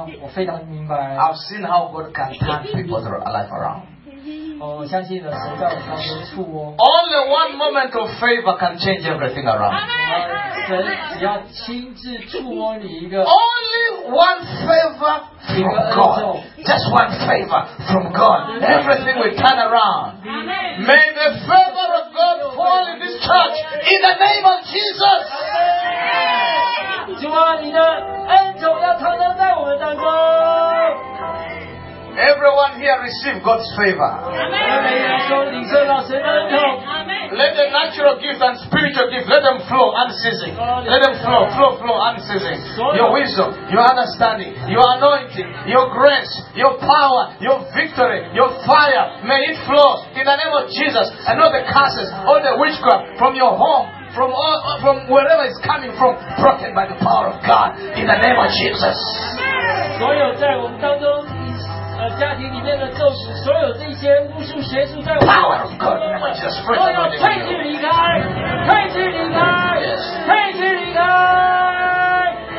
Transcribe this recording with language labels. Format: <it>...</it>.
<en>I've seen how God can touch people's life around.</en> <zh>我相信了，神在我当中触摸。</zh> <en>Only one moment of favor can change everything around.</en> <zh>神只要亲自触摸你一个。</zh> <en>Only one favor from God. Just one favor from God. Everything will turn around. May the favor of God fall in this church in the name of Jesus.</en> <zh>主啊，你的恩宠要常常在我们当中。</zh> <en>Everyone here receive God's favor. Let the natural gift and spiritual gift let them flow unceasing. Let them flow, flow, flow unceasing. Your wisdom, your understanding, your anointing, your grace, your power, your victory, your fire, may it flow in the name of Jesus. And all the curses, all the witchcraft from your home, from all, from wherever it's coming from, broken by the power of God in the name of Jesus.</en> <zh>所有在我们当中家庭里面的咒诅，所有这些巫术邪术，在我们所有退去离开，退去离开，退去离开。</zh>